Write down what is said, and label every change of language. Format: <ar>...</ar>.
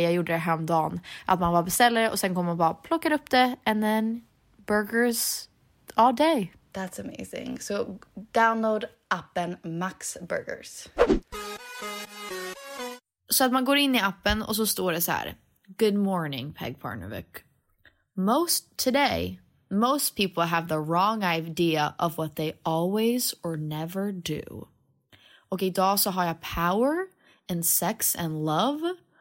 <sv>Jag gjorde det här om dagen. Att man bara beställer och sen kommer man bara plocka upp det.</sv> <en>And then burgers all day. That's amazing. So download appen Max Burgers.</en> <sv>Så att man går in i appen och så står det så här.</sv> <en>Good morning, Peg Parnovic. Most people have the wrong idea of what they always or never do.</en> <sv>Okay, då så har jag</sv> <en>power and sex and love.</en>